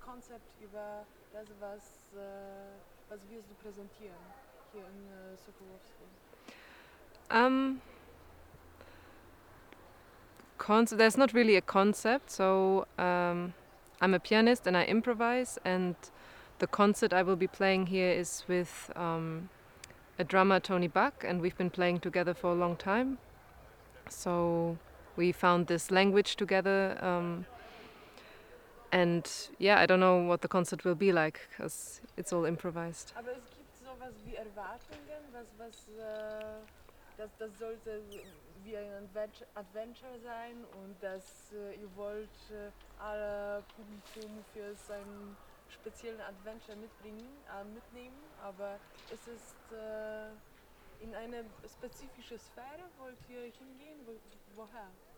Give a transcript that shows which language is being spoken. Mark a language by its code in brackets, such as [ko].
[de] Konzept über das, was wirst du präsentieren hier in Sokolowsko? [en] There's not really a concept. So I'm a pianist and I improvise. And the concert I will be playing here is with a drummer, Tony Buck, and we've been playing together for a long time. So we found this language together, and yeah, I don't know what the concert will be like, because it's all improvised. [de] Aber es gibt sowas wie Erwartungen, das sollte wie ein Adventure sein, und dass ihr wollt alle Publikum für seinen speziellen Adventure mitnehmen, aber es ist in eine spezifische Sphäre, wollt ihr hingehen, woher?